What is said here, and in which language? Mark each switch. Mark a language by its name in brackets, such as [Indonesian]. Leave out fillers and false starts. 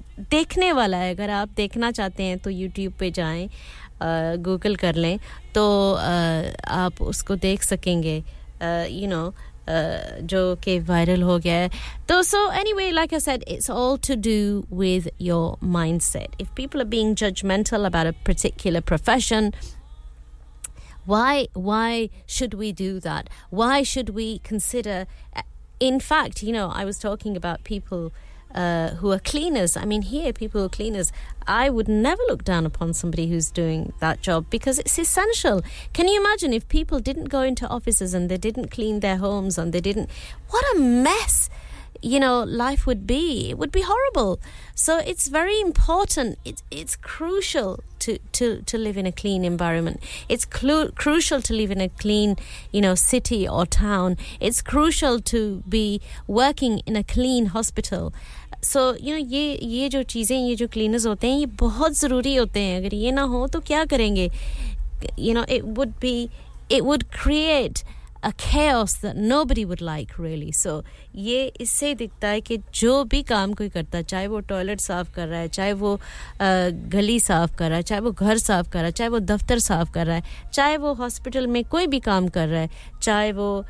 [Hindi] देखने वाला है अगर आप देखना चाहते हैं तो यूट्यूब पर जाएँ गूगल कर लें तो आप उसको देख सकेंगे यू नो जो कि वायरल हो गया है तो [English] So anyway like I said it's all to do with your mindset if people are being judgmental about a particular profession why should we do that why should we consider in fact you know I was talking about people who are cleaners. I mean, here, people who are cleaners, I would never look down upon somebody who's doing that job because it's essential. Can you imagine if people didn't go into offices and they didn't clean their homes and they didn't... What a mess, you know, life would be. It would be horrible. So it's very important. It's crucial to live in a clean environment. It's crucial to live in a clean, you know, city or town. It's crucial to be working in a clean hospital. [Hindi] So, you know, ये जो चीज़ें ये जो cleaners होते हैं ये बहुत ज़रूरी होते हैं अगर ये ना हो तो क्या करेंगे [English] You know, it would create a chaos that nobody would like really. [Hindi] So, ये इससे दिखता है कि जो भी काम कोई करता है चाहे वो टॉयलेट साफ़ कर रहा है चाहे वो गली साफ कर रहा है चाहे वो घर साफ़ कर रहा है चाहे वो दफ्तर साफ़ कर रहा है चाहे वो हॉस्पिटल में कोई भी काम कर रहा है चाहे वो